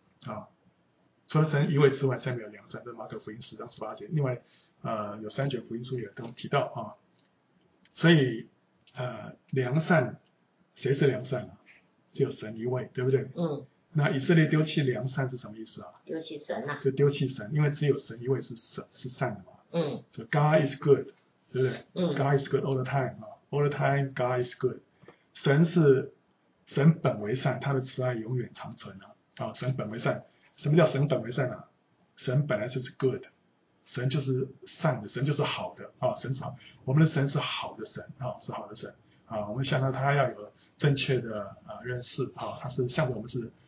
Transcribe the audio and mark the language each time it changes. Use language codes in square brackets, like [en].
[zh] 啊，除了神一位之外，再没有良善的。马可福音十章十八节，另外有三卷福音书也都提到啊。所以良善，谁是良善啊？只有神一位，对不对？嗯。那以色列丢弃良善是什么意思啊？丢弃神啊，就丢弃神，因为只有神一位是善的嘛。嗯。 [en] So God is good, [zh] 对不对？嗯。 [en] God is good all the time, all the time God is good. [zh] 神是神本为善，他的慈爱永远长存啊。啊，神本为善，什么叫神本为善啊？神本来就是 good, 神就是善的，神就是好的啊，神是好，我们的神是好的神啊，是好的神啊，我们向着他要有正确的认识啊，他是向着我们是。